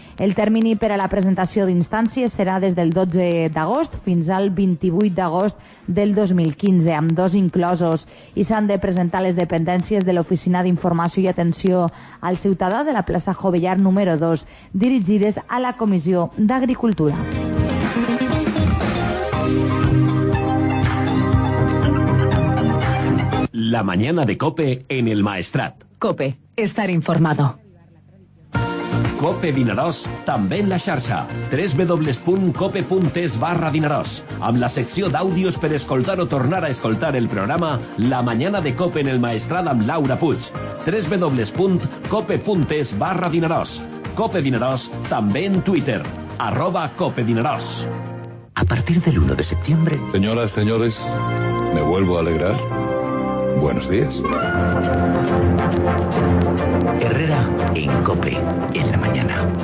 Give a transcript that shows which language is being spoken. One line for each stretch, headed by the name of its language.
Catalan: El termini per a la presentació d'instàncies serà des del 12 d'agost fins al 28 d'agost del 2015, amb dos inclosos, i s'han de presentar les dependències de l'Oficina d'Informació i Atenció al Ciutadà de la plaça Jovellar número 2, dirigides a la Comissió d'Agricultura.
Spanish: La mañana de COPE en el Maestrat. COPE, estar informado.
Catalan: COPE Vinaròs, també en la xarxa. www.cope.es/Vinaròs. Amb la secció d'àudios per escoltar o tornar a escoltar el programa La Mañana de COPE en el Maestrat amb Laura Puig. www.cope.es/Vinaròs. COPE Vinaròs, també en Twitter. @CopeVinaròs.
Spanish: A partir del 1 de septiembre... Señoras, señores, me vuelvo a alegrar. Buenos días. Herrera en COPE, en la mañana.